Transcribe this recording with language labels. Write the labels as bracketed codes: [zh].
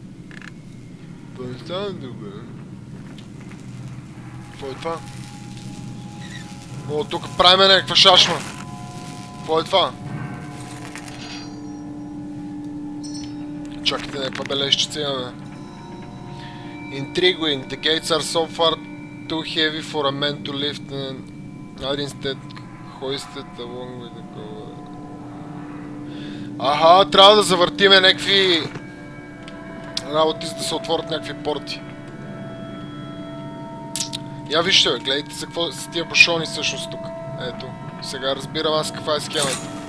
[bg] Какво не става тук, бе? Какво е това? О, тук правиме някаква шашма. Какво е това? Чакайте някаква бележчица имаме. [en] Intriguing. The gates are so far too heavy for a man to lift and instead hoisted along with the cover. [bg] Аха, трябва да завъртиме някакви работи, за да се отворят някакви порти. Я вижте, бе, гледайте за какво са тия бушони всъщност тук. Ето, сега разбирам аз каква е схемата.